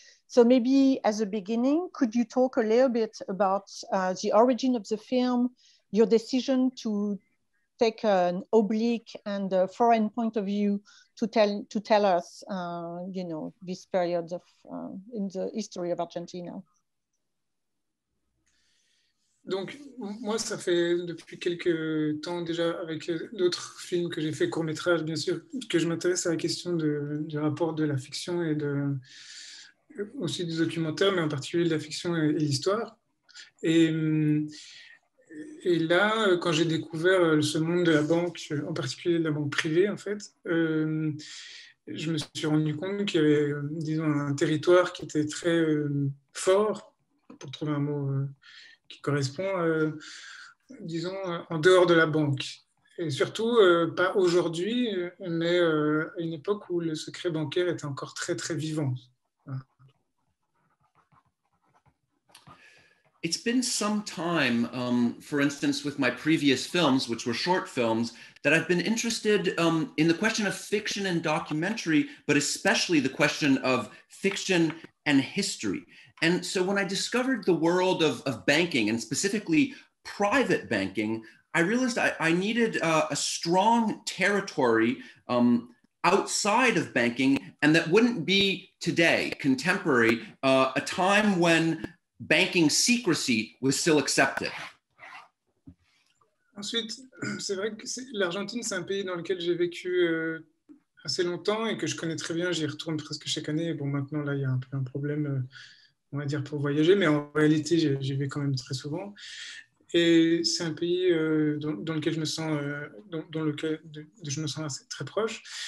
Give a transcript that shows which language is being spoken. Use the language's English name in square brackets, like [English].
[English] So maybe as a beginning, could you talk a little bit about the origin of the film, your decision to take an oblique and a foreign point of view to tell us, you know, this period of in the history of Argentina. [French] Donc moi, ça fait depuis quelques temps déjà avec d'autres films que j'ai fait, courts métrages bien sûr, que je m'intéresse à la question du rapport de la fiction et de aussi du documentaire, mais en particulier de la fiction et l'histoire. Et là, quand j'ai découvert ce monde de la banque, en particulier de la banque privée, en fait, je me suis rendu compte qu'il y avait, disons, un territoire qui était très fort, pour trouver un mot qui correspond, disons, en dehors de la banque. Et surtout, pas aujourd'hui, mais à une époque où le secret bancaire était encore très, très vivant. [English] It's been some time, for instance, with my previous films, which were short films, that I've been interested in the question of fiction and documentary, but especially the question of fiction and history. And so when I discovered the world of banking, and specifically private banking, I realized I needed a strong territory outside of banking, and that wouldn't be today, contemporary, a time when banking secrecy was still accepted. [French] Ensuite, c'est vrai que l'Argentine, c'est un pays dans lequel j'ai vécu assez longtemps et que je connais très bien. J'y retourne presque chaque année. Bon, maintenant, là, il y a un peu un problème, on va dire, pour voyager, mais en réalité, j'y vais quand même très souvent. Et c'est un pays dans lequel je me sens, je me sens assez très proche.